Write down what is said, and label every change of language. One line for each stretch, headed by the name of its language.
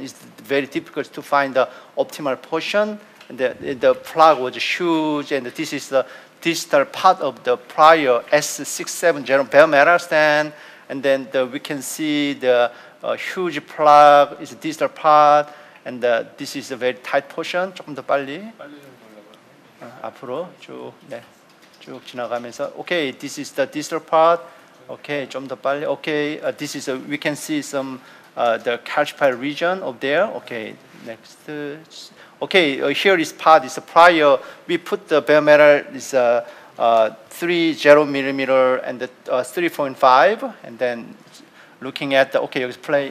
English: It's very difficult to find the optimal portion. The plug was huge, and this is the distal part of the prior S67 general bare metal stand. And then we can see the huge plug is a distal part. And this is a very tight portion.
Korean: 조금 더 빨리. 앞으로 쭉 네 쭉 지나가면서.
English: Okay, this is the distal part. Okay,
Korean: 좀 더 빨리.
English: Okay, this is we can see some the calcified region up there. Okay, next. Okay, here is part is prior. We put the bare metal is 3.0 millimeter and 3.5, and then looking at the okay, let's play.